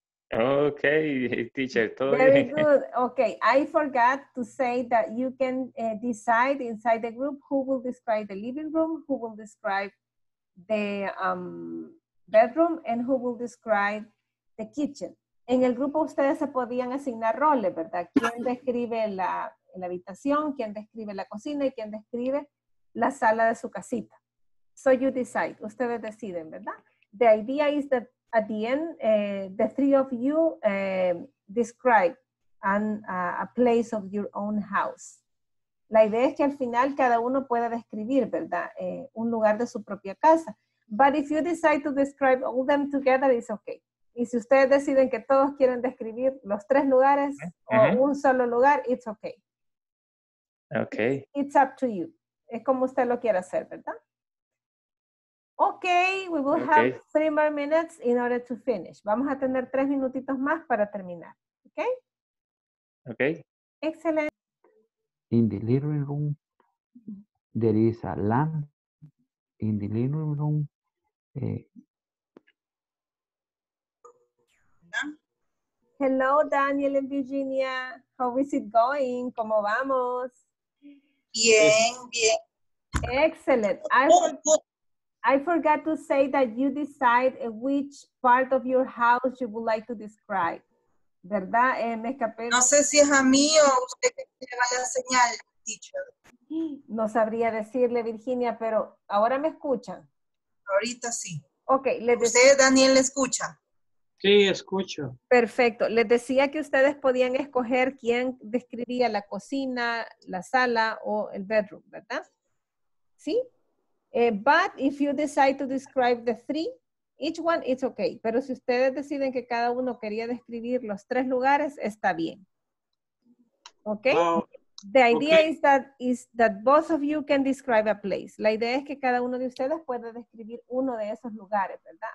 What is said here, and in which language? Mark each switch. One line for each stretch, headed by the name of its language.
English: Okay, teacher,
Spanish: todo
English: very
Spanish: bien.
English: Very good. Okay, I forgot to say that you can decide inside the group who will describe the living room, who will describe the bedroom, and who will describe the kitchen.
Spanish: En el grupo ustedes se podían asignar roles, ¿verdad? ¿Quién describe la habitación? ¿Quién describe la cocina? ¿Y quién describe la sala de su casita?
English: So you decide.
Spanish: Ustedes deciden, ¿verdad?
English: The idea is that at the end, the three of you describe a place of your own house.
Spanish: La idea es que al final cada uno pueda describir, ¿verdad? Un lugar de su propia casa.
English: But if you decide to describe all them together, it's okay.
Spanish: Y si ustedes deciden que todos quieren describir los tres lugares o un solo lugar,
English: it's okay. Okay. It's up to you.
Spanish: Es como usted lo quiere hacer, ¿verdad?
English: Okay, we will have 3 more minutes in order to finish.
Spanish: Vamos a tener 3 minutitos más para terminar.
English: Okay? Okay. Excellent. In the living room, there is a lamp. In the living room, hello, Daniel and Virginia. How is it going?
Spanish: ¿Cómo vamos? Bien, bien.
English: Excellent. I, I forgot to say that you decide which part of your house you would like to describe.
Spanish: ¿Verdad? Me escapé. No sé si es a mí o usted que me vaya a señal, teacher. No sabría decirle, Virginia, pero ahora me escuchan. Ahorita sí.
English: Ok,
Spanish: le decía. ¿Usted, Daniel, le escucha? Sí, escucho. Perfecto. Les decía que ustedes podían escoger quién describía la cocina, la sala o el bedroom, ¿verdad? ¿Sí?
English: But if you decide to describe the three, each one, it's okay.
Spanish: Pero si ustedes deciden que cada uno quería describir los tres lugares, está bien.
English: Okay? The idea is that both of you can describe a place.
Spanish: La idea es que cada uno de ustedes pueda describir uno de esos lugares, ¿verdad?